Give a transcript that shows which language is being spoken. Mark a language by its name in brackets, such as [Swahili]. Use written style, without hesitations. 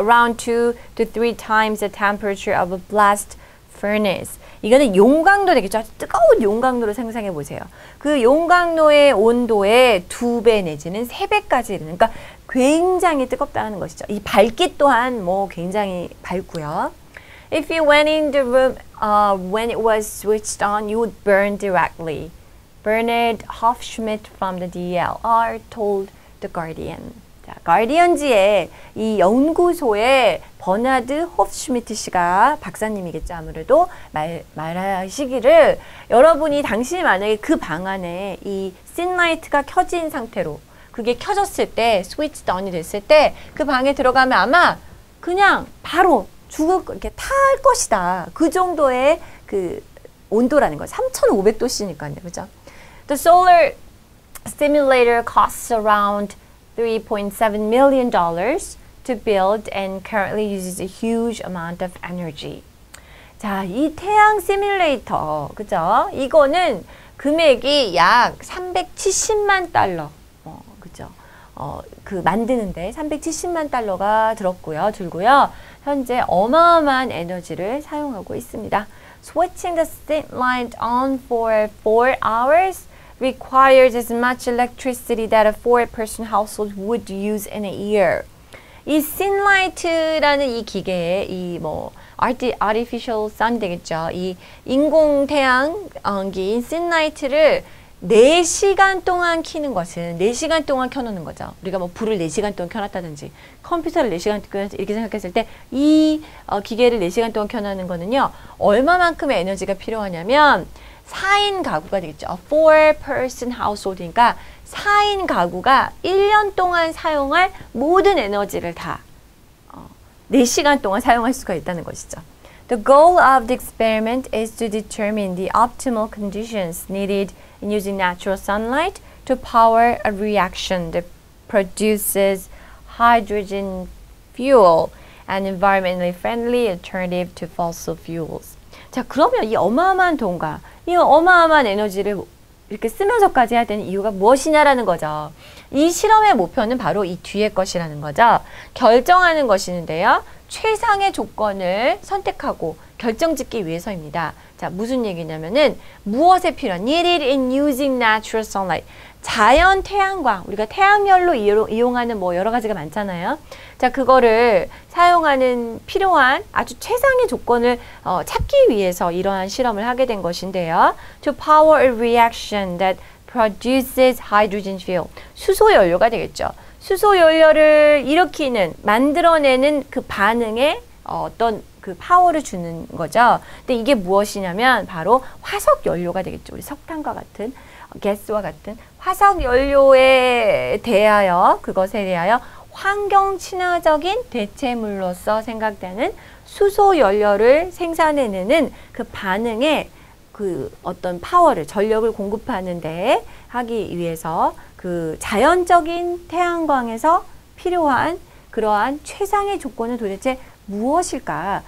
[English] Around 2-3 times the temperature of a blast furnace. [Korean] 이거는 용광로 되겠죠. 뜨거운 용광로를 상상해 보세요. 그 용광로의 온도의 2배 내지는 3배까지 그러니까 굉장히 뜨겁다는 것이죠. 이 밝기 또한 뭐 굉장히 밝고요. [English] If you went in the room when it was switched on, you would burn directly. Bernard Hofschmidt from the DLR told The Guardian. [Korean] 자, 가디언지의 이 연구소에 버나드 호프슈미트 씨가 박사님이겠죠. 아무래도 말하시기를 여러분이 당신이 만약에 그 방 안에 이 씬라이트가 켜진 상태로 그게 켜졌을 때 스위치 다운이 됐을 때 그 방에 들어가면 아마 그냥 바로 죽을 이렇게 탈 것이다. 그 정도의 그 온도라는 거예요. 3,500도씨니까요. 그죠? [English] The solar stimulator costs around $3.7 million to build and currently uses a huge amount of energy. [Korean] 자, 이 태양 시뮬레이터, 그죠? 이거는 금액이 약 370만 달러, 그죠? 그 만드는데 370만 달러가 들고요. 현재 어마어마한 에너지를 사용하고 있습니다. [English] Switching the street light on for 4 hours requires as much electricity that a 4-person household would use in a year. [Korean] 이 씬라이트라는 이 기계에 이 뭐 artificial sun 되겠죠. 이 인공 태양기인 씬라이트를 4시간 동안 켜는 것은 4시간 동안 켜놓는 거죠. 우리가 뭐 불을 4시간 동안 켜놨다든지 컴퓨터를 4시간 동안 켜놨다 이렇게 생각했을 때 이 기계를 4시간 동안 켜놓는 거는요. 얼마만큼의 에너지가 필요하냐면 4인 가구가 되겠죠. 4-person household이니까 4인 가구가 1년 동안 사용할 모든 에너지를 다 4시간 동안 사용할 수가 있다는 것이죠. [English] The goal of the experiment is to determine the optimal conditions needed in using natural sunlight to power a reaction that produces hydrogen fuel, an environmentally friendly alternative to fossil fuels. [Korean] 자, 그러면 이 어마어마한 돈과 이 어마어마한 에너지를 이렇게 쓰면서까지 해야 되는 이유가 무엇이냐라는 거죠. 이 실험의 목표는 바로 이 뒤에 것이라는 거죠. 결정하는 것이는데요. 최상의 조건을 선택하고 결정짓기 위해서입니다. 자, 무슨 얘기냐면은 무엇에 필요한 [English] needed in using natural sunlight. [Korean] 자연 태양광, 우리가 태양열로 이용하는 뭐 여러 가지가 많잖아요. 자, 그거를 사용하는 필요한 아주 최상의 조건을 찾기 위해서 이러한 실험을 하게 된 것인데요. [English] To power a reaction that produces hydrogen fuel. [Korean] 수소연료가 되겠죠. 수소연료를 일으키는, 만들어내는 그 반응에 어떤 그 파워를 주는 거죠. 근데 이게 무엇이냐면 바로 화석연료가 되겠죠. 우리 석탄과 같은, 가스와 같은 화석연료에 대하여, 그것에 대하여 환경 친화적인 대체물로서 생각되는 수소연료를 생산해내는 그 반응에 그 어떤 파워를, 전력을 공급하는 데 하기 위해서 그 자연적인 태양광에서 필요한 그러한 최상의 조건은 도대체 무엇일까?